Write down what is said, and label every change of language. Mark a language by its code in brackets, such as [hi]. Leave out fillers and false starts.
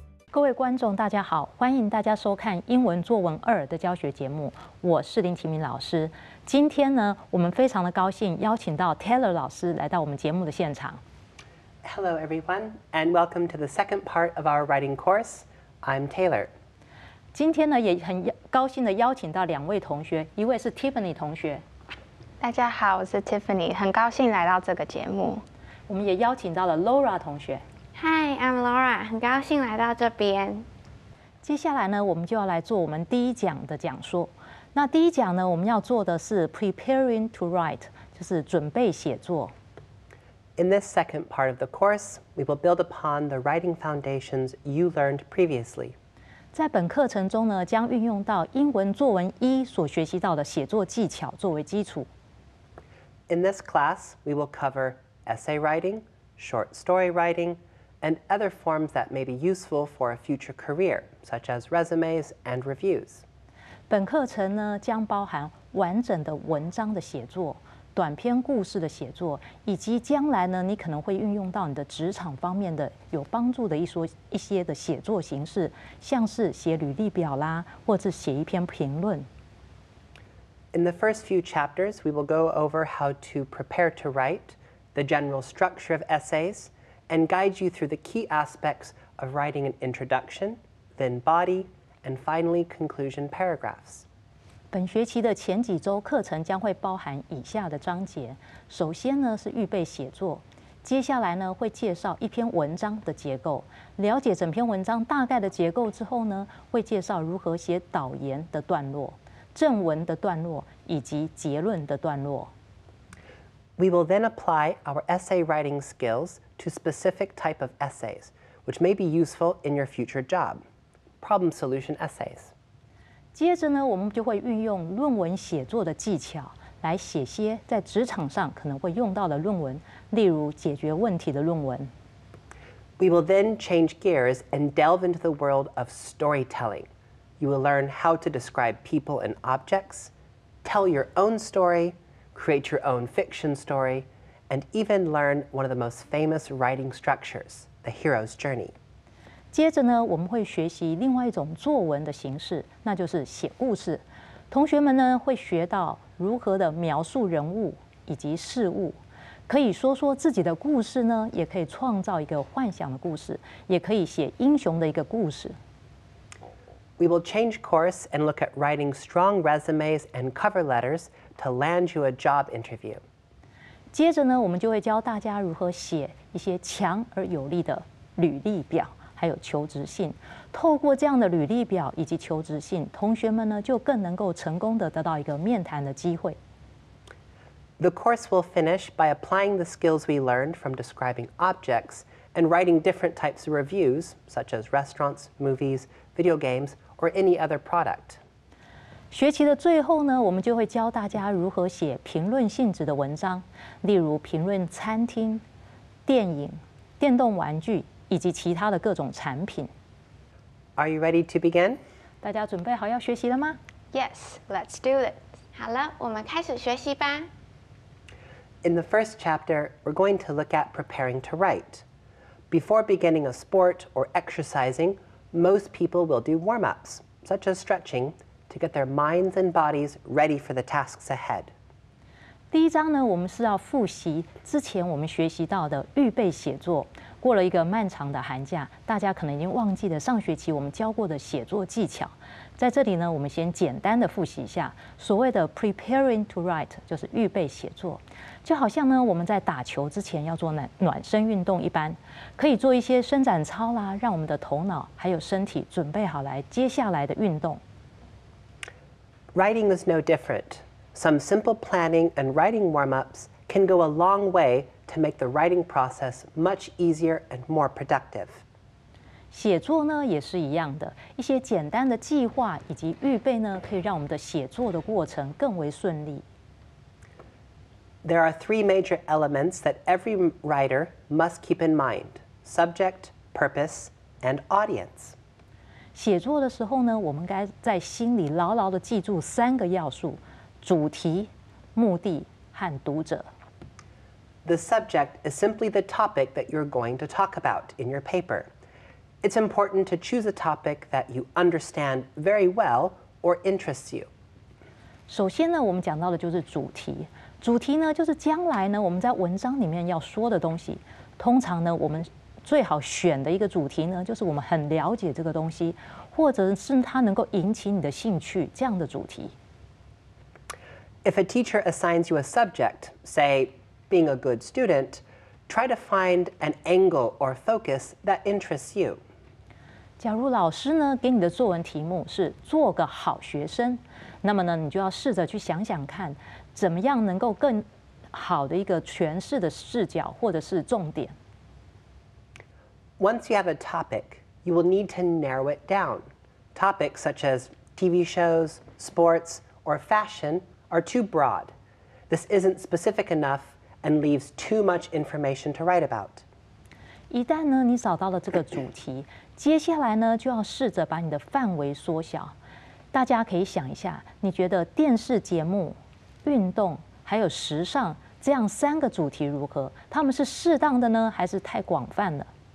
[zh] 各位观众，大家好，欢迎大家收看《英文作文二》的教学节目，我是林启明老师。今天呢，我们非常的高兴邀请到 Taylor 老师来到我们节目的现场。 [en] Hello, everyone, and welcome to the second part of our writing course. I'm Taylor. [zh] 今天呢，也很高兴的邀请到两位同学，一位是 Tiffany 同学。大家好，我是 Tiffany， 很高兴来到这个节目。我们也邀请到了 Laura 同学。 [en] Hi, I'm Laura. [zh] 很高兴来到这边。接下来呢，我们就要来做我们第一讲的讲说。那第一讲呢，我们要做的是 [en] preparing to write， [zh] 就是准备写作。 [en] In this second part of the course, we will build upon the writing foundations you learned previously. [zh] 在本课程中呢，将运用到英文作文一所学习到的写作技巧作为基础。 [en] In this class, we will cover essay writing, short story writing. And other forms that may be useful for a future career, such as resumes and reviews. [zh] 本课程呢将包含完整的文章的写作、短篇故事的写作，以及将来呢你可能会运用到你的职场方面的有帮助的一些的写作形式，像是写履历表啦，或者写一篇评论。 [en] In the first few chapters, we will go over how to prepare to write, the general structure of essays. And guide you through the key aspects of writing an introduction, then body, and finally conclusion paragraphs. [zh] 本学期的前几周课程将会包含以下的章节。首先呢是预备写作，接下来呢会介绍一篇文章的结构。了解整篇文章大概的结构之后呢，会介绍如何写导言的段落、正文的段落以及结论的段落。 [en] We will then apply our essay writing skills. To specific type of essays, which may be useful in your future job, problem solution essays. [zh] 接着呢，我们就会运用论文写作的技巧来写些在职场上可能会用到的论文，例如解决问题的论文。 [en] We will then change gears and delve into the world of storytelling. You will learn how to describe people and objects, tell your own story, create your own fiction story. And even learn one of the most famous writing structures, the hero's journey. [zh] 接着呢，我们会学习另外一种作文的形式，那就是写故事。同学们呢，会学到如何的描述人物以及事物，可以说说自己的故事呢，也可以创造一个幻想的故事，也可以写英雄的一个故事。 [en] We will change course and look at writing strong resumes and cover letters to land you a job interview. [zh] 接着呢，我们就会教大家如何写一些强而有力的履历表，还有求职信。透过这样的履历表以及求职信，同学们呢就更能够成功的得到一个面谈的机会。 [en] The course will finish by applying the skills we learned from describing objects and writing different types of reviews, such as restaurants, movies, video games, or any other product. [zh] 学期的最后呢，我们就会教大家如何写评论性质的文章，例如评论餐厅、电影、电动玩具以及其他的各种产品。 [en] Are you ready to begin? [zh] 大家准备好要学习了吗 [en] ？Yes, let's do it. [zh] 好了，我们开始学习吧。 [en] In the first chapter, we're going to look at preparing to write. Before beginning a sport or exercising, most people will do warm-ups, such as stretching. To get their minds and bodies ready for the tasks ahead. [zh] 第一章呢，我们是要复习之前我们学习到的预备写作。过了一个漫长的寒假，大家可能已经忘记了上学期我们教过的写作技巧。在这里呢，我们先简单的复习一下所谓的 [en] preparing to write， [zh] 就是预备写作。就好像呢，我们在打球之前要做暖身运动一般，可以做一些伸展操啦，让我们的头脑还有身体准备好来接下来的运动。 [en] Writing is no different. Some simple planning and writing warm-ups can go a long way to make the writing process much easier and more productive. [zh] 写作呢也是一样的，一些简单的计划以及预备呢，可以让我们的写作的过程更为顺利。 [en] There are three major elements that every writer must keep in mind: subject, purpose, and audience. [zh] 写作的时候呢，我们该在心里牢牢地记住三个要素：主题、目的和读者。 [en] The subject is simply the topic that you're going to talk about in your paper. It's important to choose a topic that you understand very well or interests you. [zh] 首先呢，我们讲到的就是主题。主题呢，就是将来呢我们在文章里面要说的东西。通常呢，我们最好选的一个主题呢，就是我们很了解这个东西，或者是它能够引起你的兴趣这样的主题。 [en] If a teacher assigns you a subject, say being a good student, try to find an angle or focus that interests you. [zh] 假如老师呢给你的作文题目是做个好学生，那么呢你就要试着去想想看，怎么样能够更好的一个诠释的视角或者是重点。 [en] Once you have a topic, you will need to narrow it down. Topics such as TV shows, sports, or fashion. Are too broad. This isn't specific enough and leaves too much information to write about. [zh] 一旦呢，你找到了这个主题，接下来呢，就要试着把你的范围缩小。大家可以想一下，你觉得电视节目、运动还有时尚这样三个主题如何？他们是适当的呢，还是太广泛了？